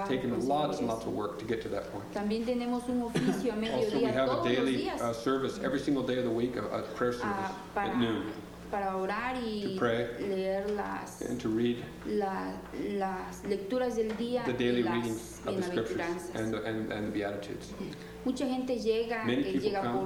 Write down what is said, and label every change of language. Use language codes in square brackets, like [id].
[en] It's taken lots and lots of work to get to that point. [es] También tenemos un oficio a mediodía todos los días. [en] Also, we have a daily service every single day of the week, a prayer service at noon. [es] Para orar y [en] to pray, [es] leer las, [en] and to read [es] las lecturas del día, [en] the daily reading of the scriptures and the Beatitudes. [es] Mucha gente llega, [en] many people [es] llega [en] come,